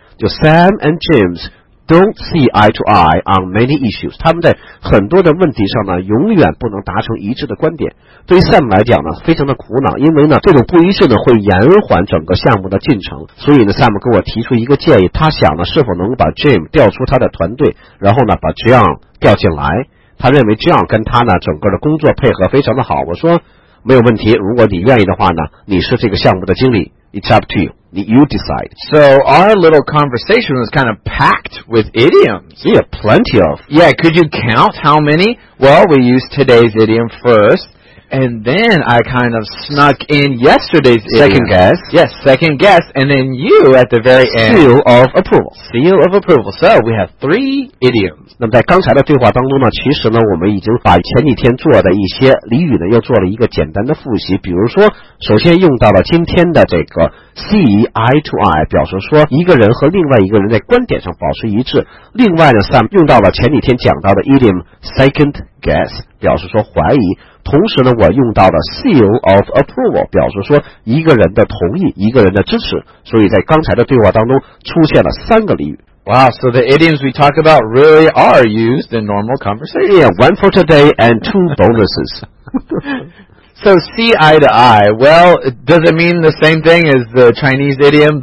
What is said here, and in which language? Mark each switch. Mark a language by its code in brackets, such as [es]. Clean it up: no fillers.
[en] Just Sam and James don't see eye to eye on many issues. [zh] 他们在很多的问题上呢，永远不能达成一致的观点。对于 Sam 来讲呢，非常的苦恼，因为呢，这种不一致呢，会延缓整个项目的进程。所以呢 ，Sam 给我提出一个建议，他想呢，是否能把 Jim 调出他的团队，然后呢，把 John 调进来。他认为 John 跟他呢，整个的工作配合非常的好。我说没有问题，如果你愿意的话呢，你是这个项目的经理。 [en] It's up to you. You decide. So our little conversation was kind of packed with idioms. Yeah, plenty of. Yeah, could you count how many? Well, we used today's idiom first. And then I kind of snuck in yesterday's second idiom. Guess. Yes, second guess. And then you at the very seal end. Seal of approval. Seal of approval. So we have three idioms. [zh] 那么在刚才的对话当中呢，其实呢，我们已经把前几天做的一些俚语呢，又做了一个简单的复习。比如说，首先用到了今天的这个 see eye to eye， 表示说一个人和另外一个人在观点上保持一致。另外呢 ，Sam 用到了前几天讲到的 idiom second guess， 表示说怀疑。同时呢，我用到了 seal of approval， 表示说一个人的同意，一个人的支持。所以在刚才的对话当中出现了三个俚语。 [en] Wow, so the idioms we talk about really are used in normal conversation. Yeah, one for today and two bonuses. So see eye to eye, well, does it mean the same thing as the Chinese idiom?